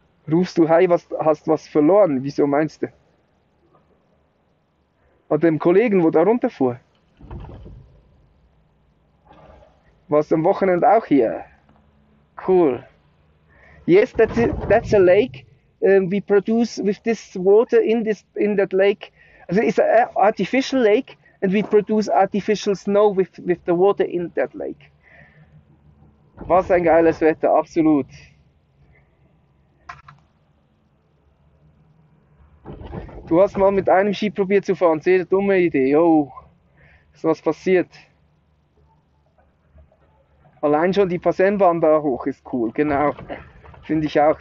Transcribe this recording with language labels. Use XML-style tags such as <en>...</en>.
<de>Rufst du, hey, was, hast was verloren? Wieso meinst du? Und dem Kollegen, wo da runterfuhr. Warst du am Wochenende auch hier?</de> <en>Cool. Yes, that's a lake. We produce with this water in that lake. Also it's an artificial lake and we produce artificial snow with the water in that lake.</en> <de>Was ein geiles Wetter, absolut. Du hast mal mit einem Ski probiert zu fahren. Sehr dumme Idee. Jo, ist was passiert. Allein schon die Passenbahn da hoch ist cool. Genau. Finde ich auch.</de>